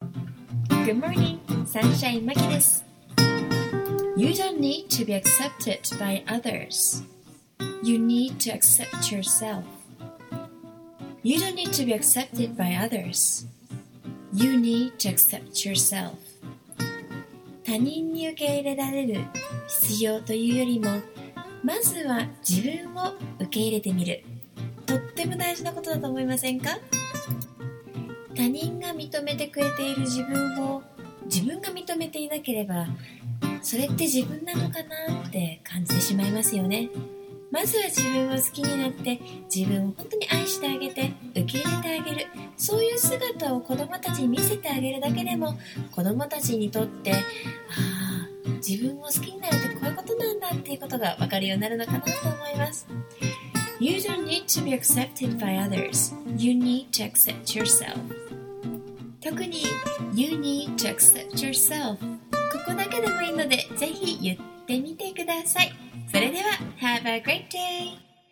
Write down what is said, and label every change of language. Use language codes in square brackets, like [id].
[en] Good morning, Sunshine Maki です。 You don't need to be accepted by others. You need to accept yourself. You don't need to be accepted by others. You need to accept yourself. [ja] 他人に受け入れられる必要というよりも、まずは自分を受け入れてみる。とっても大事なことだと思いませんか？他人が認めてくれている自分を自分が認めていなければ、それって自分なのかなって感じてしまいますよね。まずは自分を好きになって、自分を本当に愛してあげて、受け入れてあげる。そういう姿を子供たちに見せてあげるだけでも、子供たちにとって、ああ、自分を好きになるってこういうことなんだっていうことが分かるようになるのかなと思います。 [en] You don't need to be accepted by others. You need to accept yourself. [ja] 特に、 [en] You need to accept yourself. [ja] ここだけでもいいので、ぜひ言ってみてください。それでは、 [en] Have a great day!